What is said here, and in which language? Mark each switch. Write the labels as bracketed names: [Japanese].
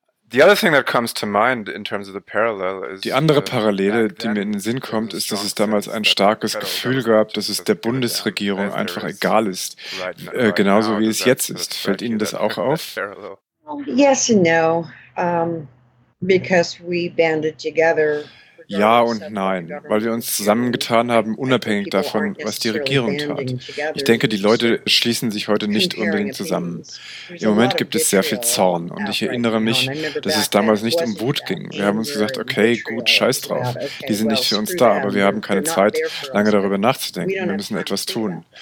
[English] The other thing that comes to mind in terms of the parallel is. [German] Die andere Parallele, die mir in den Sinn kommt, ist, dass es damals ein starkes Gefühl gab, dass es der Bundesregierung einfach egal ist, genauso wie es jetzt ist. Fällt Ihnen das auch auf? [English] Yes and no, because we banded together. [German] Ja und nein, weil wir uns zusammengetan haben, unabhängig davon, was die Regierung tat. Ich denke, die Leute schließen sich heute nicht unbedingt zusammen. Im Moment gibt es sehr viel Zorn und ich erinnere mich, dass es damals nicht um Wut ging. Wir haben uns gesagt, okay, gut, scheiß drauf, die sind nicht für uns da, aber wir haben keine Zeit, lange darüber nachzudenken, wir müssen etwas tun.